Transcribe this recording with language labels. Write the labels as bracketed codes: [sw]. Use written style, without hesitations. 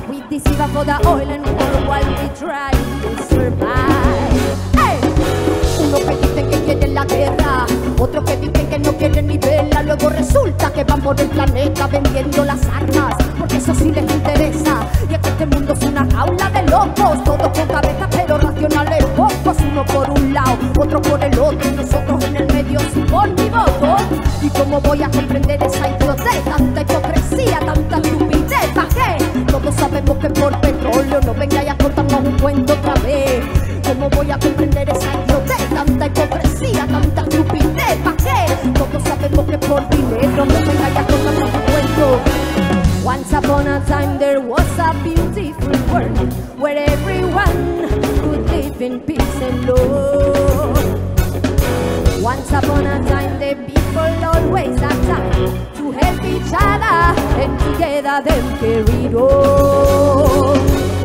[en] Deceiver for the oil and water while we try to survive. Hey! [es] Unos que dicen que quieren la guerra, otros que dicen que no quieren ni verla. Luego resulta que van por el planeta vendiendo las armas, porque eso sí les interesa. Y es que este mundo es una jaula de locos, todos con cabezas pero racionales pocos. Uno por un lado, otro por el otro, y nosotros en el medio sin por mi voto. ¿Y cómo voy a comprender esa idiotez? Tanta hipocresía, tanta estupidez, ¿pa' qué? Todos sabemos que por petróleo no vengáis a cortarnos un cuento otra vez. ¿Cómo voy a comprender esa idiotez? Tanta hipocresía, tanta estupidez, ¿pa' qué? Todos sabemos que por dinero no vengáis a cortarnos un cuento. [en] Once upon a time there was a beautiful world where everyone could live in peace and love. Once upon a time the people always had time to help each other and together them carried on.